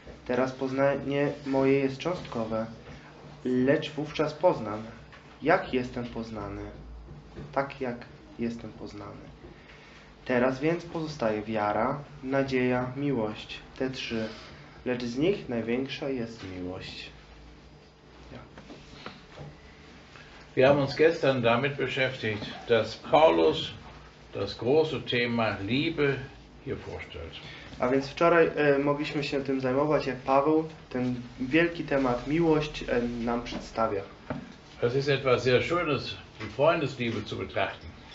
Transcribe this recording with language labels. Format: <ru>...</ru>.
<pl>Teraz poznanie moje jest cząstkowe, lecz wówczas poznam, jak jestem poznany, tak jak jestem poznany. Teraz więc pozostaje wiara, nadzieja, miłość, te trzy, lecz z nich największa jest miłość.</pl> <de>Wir haben uns gestern damit beschäftigt, dass Paulus das große Thema Liebe hier vorstellt.</de> <pl>A więc wczoraj mogliśmy się tym zajmować, jak Paweł ten wielki temat miłość nam przedstawia.</pl> <de>Es ist etwas sehr schönes, die Freundesliebe zu betrachten.</de>